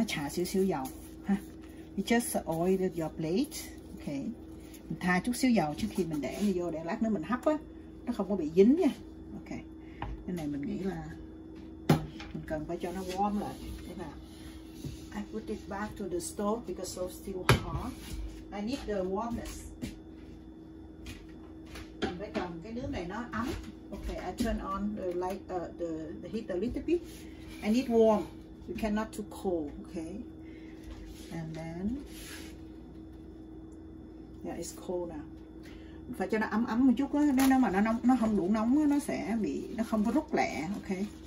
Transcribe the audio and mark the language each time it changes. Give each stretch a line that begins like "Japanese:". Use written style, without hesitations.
Vietnamese: Xíu xíu dầu ha.
English: You just oil your plate, okay.
Vietnamese: Mình thoa chút xíu dầu trước khi mình để nó vô để lát nữa mình hấp á nó không có bị dính nha. Ok. Cái này mình nghĩ là mình cần phải cho nó warm lại. Thế nào?
English: I put it back to the stove because it's still hot. I need the warmness.
Vietnamese: Mình phải cần cái nước này nó ấm.
English: Ok, I turn off the heat a little bit. I need warm. We cannot too cold, okay? And then Yeah, it's cold now.
Vietnamese: Phải cho nó ấm ấm một chút á, nếu nó mà nó nóng, nó không đủ nóng á, nó sẽ bị, nó không có rút lẹ, ok.